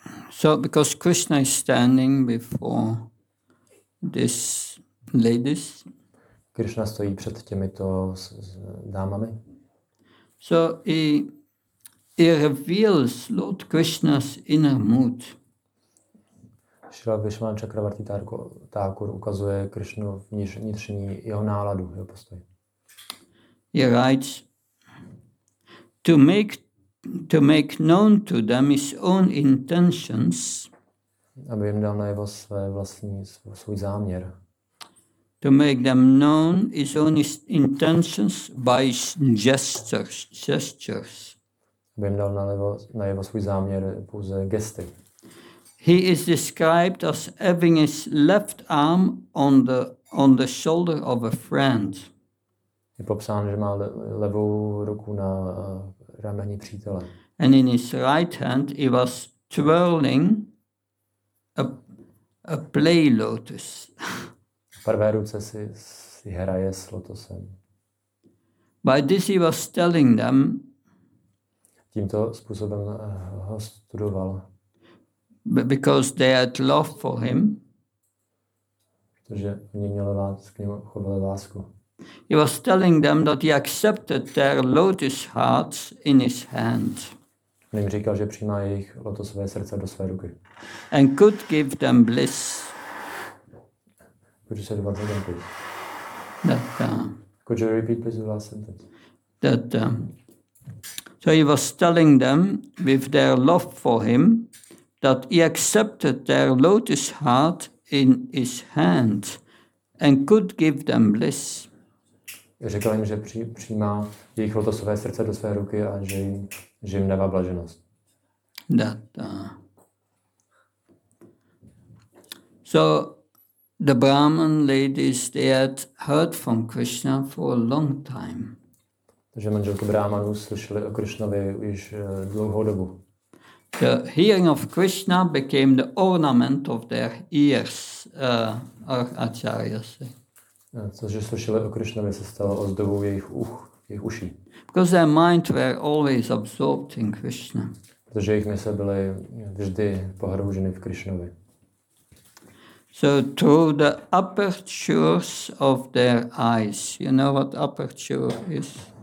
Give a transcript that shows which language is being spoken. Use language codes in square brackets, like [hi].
[en] So because Krishna is standing before these ladies. [cs] Krishna stojí před těmito dámami. [en] So he reveals Lord Krishna's inner mood. [cs] Srila Vishvanatha Chakravarti Thakur ukazuje Krishnu vnitřní jeho náladu, jeho postoj. [en] He writes, to make known to them his own intentions. [cs] Aby jim dal najevo své vlastní svůj záměr. [en] To make them known his own intentions by his gestures. [cs] Aby jim dal najevo svůj záměr pouze gesty. [en] He is described as having his left arm on the on the shoulder of a friend. [cs] Je popsán, že má levou ruku na rameni přítele. [en] And in his right hand he was twirling a play lotus. [cs] V pravé ruce si hraje s lotosem. [en] By this he was telling them. [cs] Tímto způsobem ho studoval. [en] Because they had love for him. [cs] Protože oni měli k němu chovali lásku. [en] He was telling them that he accepted their lotus hearts in his hand. [cs] On jim říkal, že přijímá jejich lotosové srdce do své ruky. [en] And could give them bliss. Could you say one thing, please? That, could you repeat, please, the last sentence? That, so he was telling them with their love for him that he accepted their lotus heart in his hand and could give them bliss. [cs] Řekl jim, že přijímá jejich lotosové srdce do své ruky a že jim dává blaženost. [en] That, so the Brahman ladies, they had heard from Krishna for a long time. [cs] Takže manželky Brahmanů slyšeli o Krishnovi již dlouhou dobu. [en] The hearing of Krishna became the ornament of their ears, acharyas. [cs] Cože slyšeli o Krishnovi se stalo ozdobou jejich uch, jejich uší. [en] Because their minds were always absorbed in Krishna. [cs] Protože jejich mysle byly vždy pohrouženy v Krishnovi. [en] So through the apertures of their eyes, you know what aperture is?